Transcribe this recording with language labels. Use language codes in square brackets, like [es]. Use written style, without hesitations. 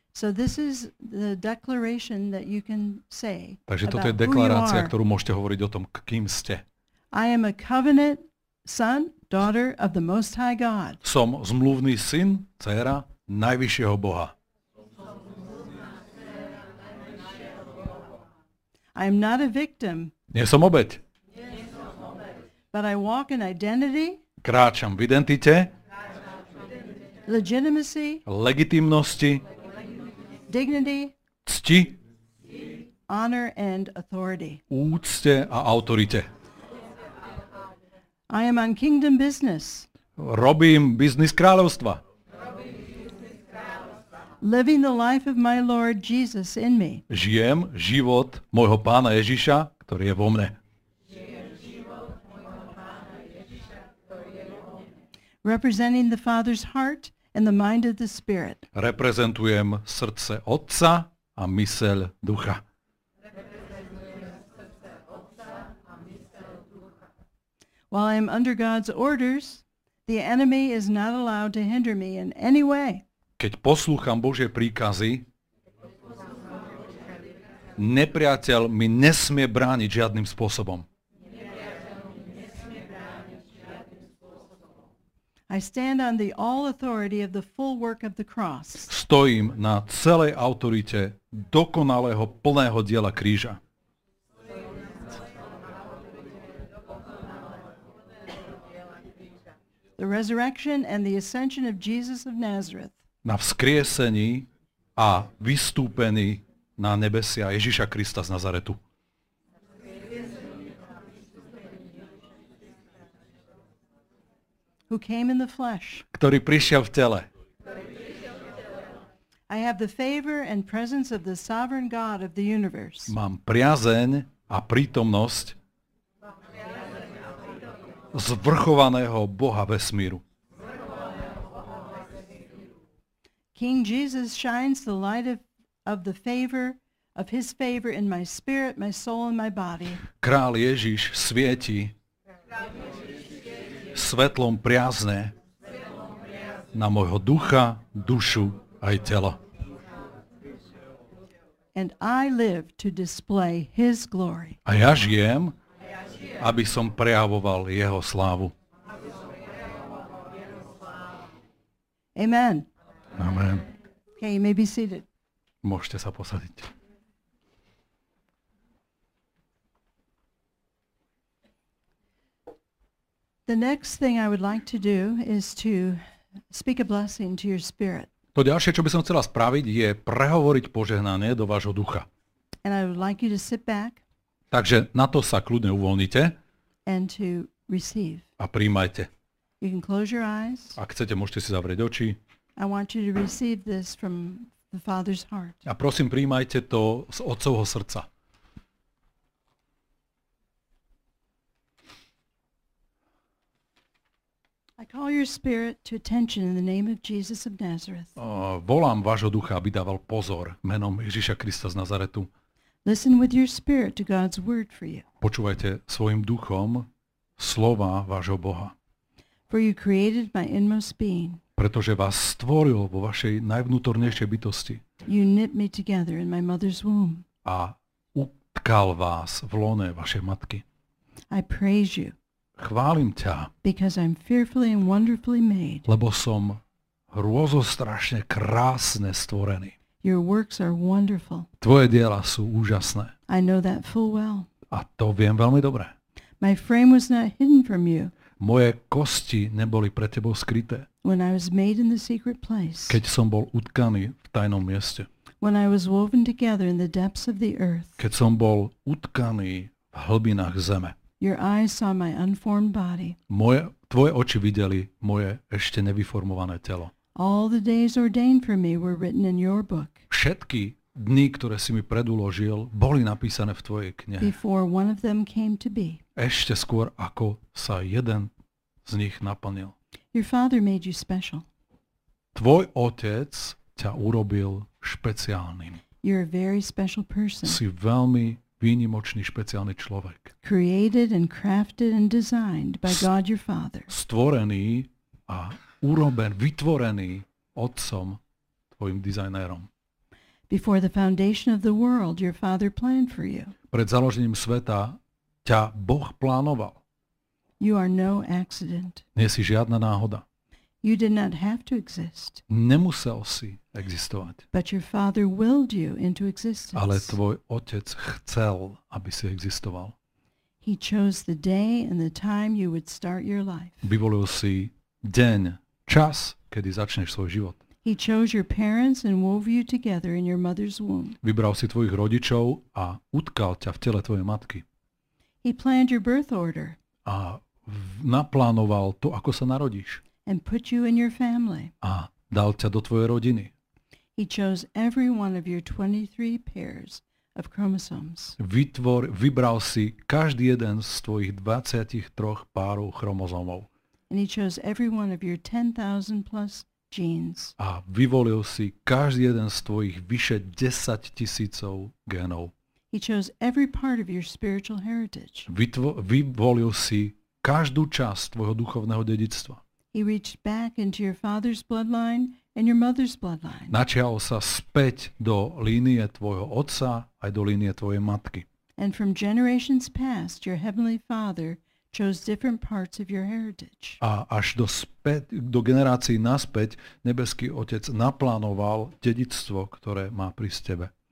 [en] So this is the declaration that you can say. [sk] Takže toto je deklarácia, ktorú môžete hovoriť o tom, kým ste. [en] I am a covenant son, daughter of the Most High God. [sk] Som zmluvný syn, dcéra najvyššieho Boha. [en] I am not a victim. [sk] Nie som obeť. [en] But I walk in identity. [sk] Kráčam v identite. [en] Legitimacy. [sk] Legitimnosti. [en] Dignity. [sk] Cti. [en] Honor and authority. [sk] Úcte a autorite. [en] I am on kingdom business. [sk] Robím biznis kráľovstva. [en] Living the life of my Lord Jesus in me. [sk] Žijem život môjho Pána Ježiša, ktorý je vo mne. [en] Representing the Father's heart and the mind of the Spirit. [sk] Reprezentujem srdce Otca a myseľ Ducha. [en] While I am under God's orders, the enemy is not allowed to hinder me in any way. [sk] Keď poslúcham Božie príkazy, nepriateľ mi nesmie brániť žiadnym spôsobom. [en] I stand on the all authority of the full work of the cross. [sk] Stojím na celej autorite dokonalého plného diela kríža. [en] The resurrection and the ascension of Jesus of Nazareth. [sk] Na vzkriesení a vystúpení na nebesia Ježiša Krista z Nazaretu. [en] Who came in the flesh. [sk] Ktorý prišiel v tele. [en] I have the favor and presence of the sovereign God of the universe. [sk] Mám priazeň a prítomnosť zvrchovaného Boha vesmíru. [en] King Jesus shines the light of the favor of his favor in my spirit, my soul and my body. [sk] Král Ježiš svieti svetlom priazne na môjho ducha, dušu aj telo. [en] And I live to display his glory. [sk] A ja žijem, aby som prejavoval jeho slávu. [en] Amen. [sk] Amen. [en] Okay, you may be seated. [sk] Môžete sa posadiť. [en] The next thing I would like to do is to speak a blessing to your spirit. [sk] To ďalšie, čo by som chcela spraviť, je prehovoriť požehnanie do vášho ducha. [en] And I would like you to sit back. [sk] Takže na to sa kľudne uvoľnite. [en] And to receive. [sk] A prijímajte. [en] You can close your eyes. [sk] Ak chcete, môžete si zavrieť oči. [en] I want you to receive this from the Father's heart. [sk] A prosím, prijímajte to z Otcovho srdca. [en] I call your spirit to attention in the name of Jesus of Nazareth. [sk] Volám vášho ducha, aby dával pozor menom Ježiša Krista z Nazaretu. [en] Listen with your spirit to God's word for you. [sk] Počúvajte svojim duchom slova vášho Boha. [en] For you created my inmost being. [sk] Pretože vás stvoril vo vašej najvnútornejšej bytosti. [en] You knit me together in my mother's womb. [sk] A utkal vás v lone vašej matky. [en] I praise you. [sk] Chválim ťa. [en] Because I'm fearfully and wonderfully made. [sk] Lebo som hrôzostrašne krásne stvorený. [en] Your works are wonderful. [sk] Tvoje diela sú úžasné. [en] I know that full well. [sk] A to viem veľmi dobre. [en] My frame was not hidden from you. [sk] Moje kosti neboli pre tebou skryté. [en] When I was made in the secret place. [sk] Keď som bol utkaný v tajnom mieste. [en] When I was woven together in the depths of the earth. [sk] Keď som bol utkaný v hlbinách zeme. [en] Your eyes saw my unformed body. [sk] Tvoje oči videli moje ešte nevyformované telo. [en] All the days ordained for me were written in your book. [sk] Všetky dni, ktoré si mi predúložil, boli napísané v tvojej knihe. [en] Before one of them came to be. [sk] Ešte skôr, ako sa jeden z nich naplnil. [en] Your father made you special. [sk] Tvoj otec ťa urobil špeciálnym. [en] You're a very special person. [sk] Si veľmi výnimočný, špeciálny človek. [en] Created and crafted and designed by God your father. [sk] Stvorený a urobený, vytvorený otcom, tvojim dizajnérom. [en] Before the foundation of the world, your father planned for you. [sk] Pred založením sveta ťa Boh plánoval. [en] You are no accident. [sk] Nie si žiadna náhoda. [en] You did not have to exist. [sk] Nemusel si existovať. [en] But your father willed you into existence. [sk] Ale tvoj otec chcel, aby si existoval. [en] He chose the day and the time you would start your life. [sk] Vyvolil si deň, čas, kedy začneš svoj život. [en] He chose your parents and wove you together in your mother's womb. [sk] Vybral si tvojich rodičov a utkal ťa v tele tvojej matky. [en] He planned your birth order. [sk] A naplánoval to, ako sa narodíš. [en] And put you in your family. [sk] A dal ťa do tvojej rodiny. [en] He chose every one of your 23 pairs of chromosomes. [sk] Vybral si každý jeden z tvojich 23 párov chromozómov. [en] And he chose every one of your 10,000 plus genes. [sk] A vyvolil si každý jeden z tvojich vyše 10,000 génov. [en] He chose every part of your spiritual heritage. [sk] Vyvolil si každú časť tvojho duchovného dedičstva. [en] He reached back into your father's bloodline and your mother's bloodline. [sk] Načial sa späť do línie tvojho otca aj do línie tvojej matky. [en] And from generations past, your heavenly father chose different parts of your heritage. [sk] A až do späť, do generácií naspäť, nebeský Otec naplánoval dedičstvo, ktoré má prísť tebe.